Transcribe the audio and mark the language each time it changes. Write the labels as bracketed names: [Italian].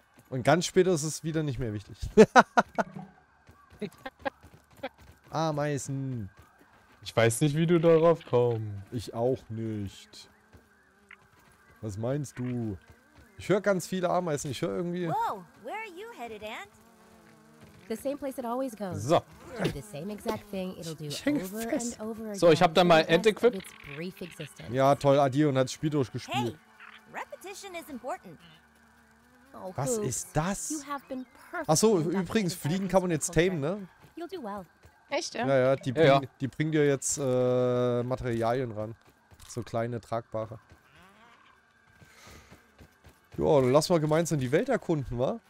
[German] Und ganz später ist es wieder nicht mehr wichtig. Ameisen. Ich weiß nicht, wie du darauf kommst. Ich auch nicht. Was meinst du? Ich höre ganz viele Ameisen. Ich höre irgendwie... [English] Wow, where are you headed, Ant? The same place it always goes. So. The same exact thing it'll do over and over again. [German] So, ich hab da mal [English] Ant equipped. [German] Ja, toll, Adirion hat das Spiel durchgespielt. [English] Hey, repetition is important. [German] Oh, was ist das? Achso, übrigens, Fliegen kann man jetzt tamen, ne? [English] You'll do well. [German] Echt, ja? Ja, ja, die bringen dir jetzt Materialien ran. So kleine, tragbare. Joa, dann lass mal gemeinsam die Welt erkunden, wa?